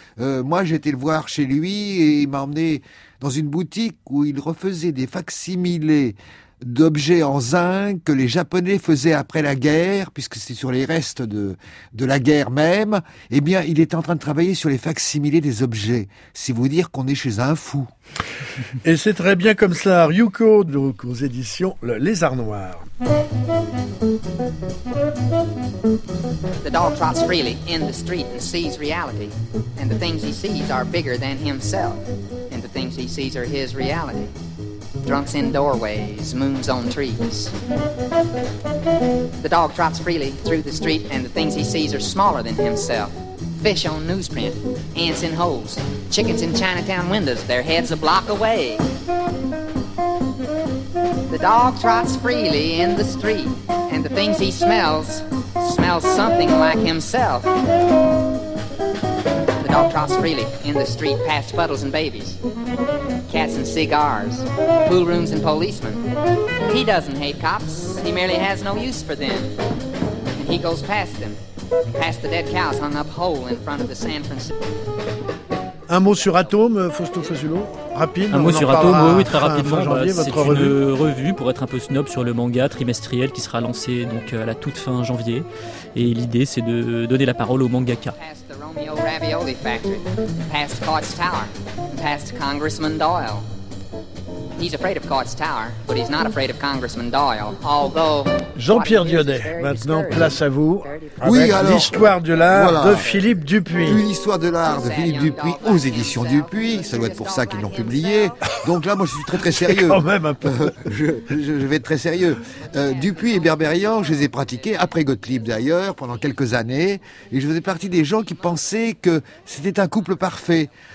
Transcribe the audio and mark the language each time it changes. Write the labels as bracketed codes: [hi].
[fr] Moi, j'ai été le voir chez lui et il m'a emmené dans une boutique où il refaisait des facsimilés d'objets en zinc que les Japonais faisaient après la guerre, puisque c'est sur les restes de la guerre même. Eh bien, il était en train de travailler sur les facsimilés des objets. Si vous dire qu'on est chez un fou. Et c'est très bien comme ça, Ryuko, donc aux éditions Les Arts Noirs. [en] The dog trots freely in the street and sees reality. And the things he sees are bigger than himself. And the things he sees are his reality. Drunks in doorways, moons on trees. The dog trots freely through the street and the things he sees are smaller than himself. Fish on newsprint, ants in holes, chickens in Chinatown windows, their heads a block away. The dog trots freely in the street and the things he smells, smells something like himself. The dog trots freely in the street past puddles and babies. Cats and cigars, pool rooms and policemen. He doesn't hate cops, he merely has no use for them. And he goes past them, past the dead cows hung up whole in front of the San Francisco. [fr] Un mot sur Atome, Fausto Fasulo. Rapide. Un mot sur Atome, oui, très rapidement. Janvier, c'est une revue pour être un peu snob sur le manga trimestriel qui sera lancé donc à la toute fin janvier. Et l'idée, c'est de donner la parole aux mangaka. [en] Romeo Ravioli Factory, past Kautz Tower, past Congressman Doyle. He's afraid of Kautz Tower, but he's not afraid of Congressman Doyle, although... [fr] Jean-Pierre Dionnet, maintenant place à vous, oui, avec alors, l'histoire de l'art voilà, de Philippe Dupuis. Une histoire de l'art de Philippe Dupuis aux éditions Dupuis, ça doit être pour ça qu'ils l'ont publié. Donc là, moi je suis très très sérieux. C'est quand même un peu. Je vais être très sérieux. Dupuis et Berberian, je les ai pratiqués, après Gottlieb d'ailleurs, pendant quelques années, et je faisais partie des gens qui pensaient que c'était un couple parfait.